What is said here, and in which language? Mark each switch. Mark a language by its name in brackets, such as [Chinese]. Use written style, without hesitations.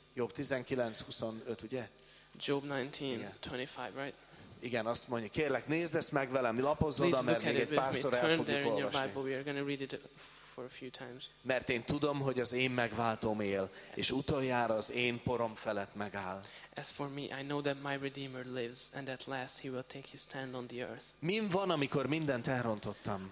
[Hungarian] Job 19, 25, ugye? [English] Job 19, 25, right? [Hungarian] Igen, azt mondja, kérlek, nézd ezt meg velem, lapozz oda, mert még egy párszor el fogjuk olvasni. Mert én tudom, hogy az én megváltóm él, és utoljára az én porom felett megáll. [English] As for me, I know that my Redeemer lives, and at last he will take his stand on the earth. [Hungarian] Min van, amikor mindent elrontottam?